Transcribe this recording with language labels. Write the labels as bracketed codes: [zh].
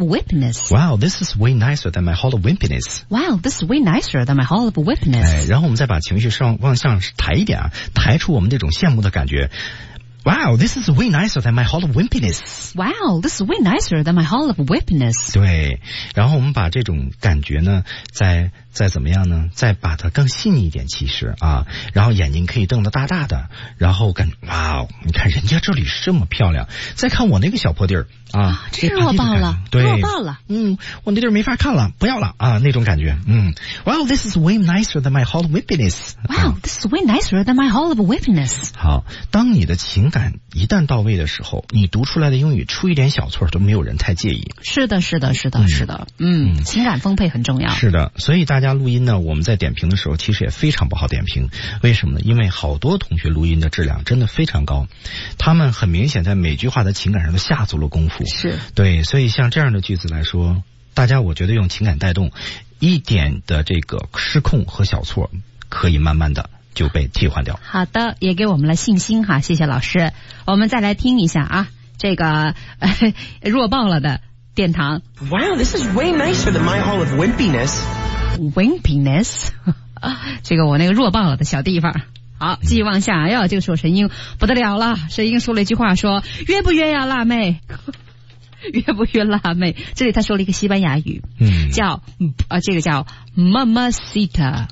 [en] wimpiness，Wow，This is way nicer than my hall of wimpiness，Wow，This is way nicer than my hall of wimpiness。 [zh] 哎，然后我们再把情绪上往上抬一点啊，抬出我们这种羡慕的感觉。 [en] Wow, this is way nicer than my hall of wimpiness. Wow, this is way nicer than my hall of wimpiness. [zh] 对，然后我们把这种感觉呢，再怎么样呢？再把它更细腻一点，其实啊，然后眼睛可以瞪得大大的，然后感觉哇，你看人家这里这么漂亮，再看我那个小破地儿啊，这弱爆了，对，弱爆了，我那地儿没法看了，不要了啊，那种感觉， [en] Wow, this is way nicer than my hall of wimpiness. Wow, this is way nicer than my hall of wimpiness. [zh] 好，当你的情感一旦到位的时候，你读出来的英语出一点小错都没有人太介意。是的，是的，是的，是的，情感丰沛很重要。是的，所以大家录音呢，我们在点评的时候其实也非常不好点评，为什么呢？因为好多同学录音的质量真的非常高，他们很明显在每句话的情感上都下足了功夫。是，对，所以像这样的句子来说，大家我觉得用情感带动，一点的这个失控和小错可以慢慢的就被替换掉。好的，也给我们了信心哈，谢谢老师。我们再来听一下啊，这个弱爆了的殿堂。 [en] Wow, this is way nicer than my hall of wimpiness. Wimpiness? [zh] 这个我那个弱爆了的小地方。好，继续往下。哎呦，这个时候神鹰不得了了，神鹰说了一句话，说约不约呀、啊、辣妹。约不约辣妹，这里他说了一个西班牙语、嗯、叫、这个叫 Mamacita